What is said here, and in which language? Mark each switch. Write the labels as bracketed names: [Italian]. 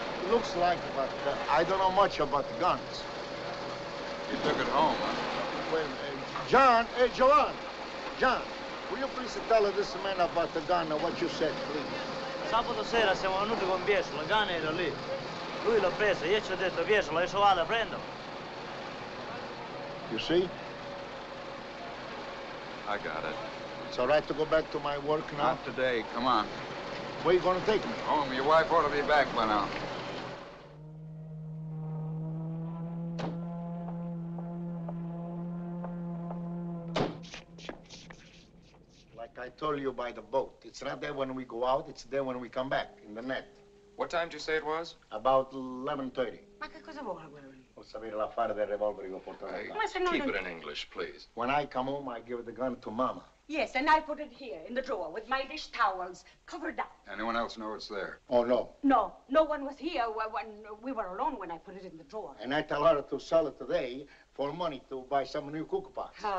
[English] Looks like it, but I don't know much about the guns. You took it home, huh? Wait a minute. John. Will you please tell this man about the gun and what you said, please? [Italian] Sabato sera siamo venuti con Biesola. Il gun era lì. Lui l'ha preso. Io ci ho detto, Biesola, io ce vado, prendo. [English] You see? I got it. It's all right to go back to my work now? Not today. Come on. Where are you going to take me? Home. Your wife ought to be back by now. I told you by the boat. It's not there when we go out, it's there when we come back, in the net. What time did you say it was? About 11:30. [Italian] Ma che cosa vuoi? Vuol sapere l'affare del revolver che ho portato. [English] Keep it in English, please. When I come home, I give the gun to Mama. Yes, and I put it here, in the drawer, with my dish towels, covered up. Anyone else know it's there? Oh, no. No, no one was here when we were alone when I put it in the drawer. And I tell her to sell it today, for money to buy some new cook pots.